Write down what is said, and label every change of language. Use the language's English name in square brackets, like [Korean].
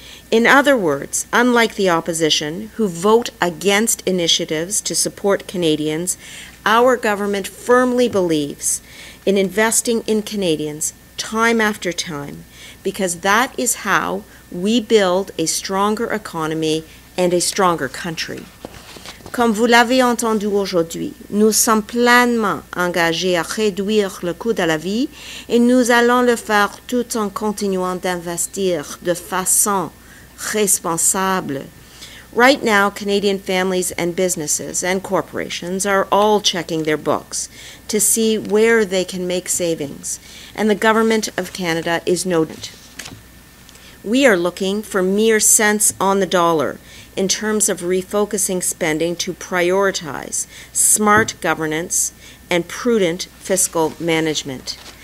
[English] In other words, unlike the opposition, who vote against initiatives to support Canadians, our government firmly believes in investing in Canadians time after time, because that is how we build a stronger economy and a stronger country. [French] Comme vous l'avez entendu aujourd'hui, nous sommes pleinement engagés à réduire le coût de la vie et nous allons le faire tout en continuant d'investir de façon responsable. [English] Right now, Canadian families and businesses and corporations are all checking their books to see where they can make savings, and the Government of Canada is no different. We are looking for mere cents on the dollar in terms of refocusing spending to prioritize smart governance and prudent fiscal management.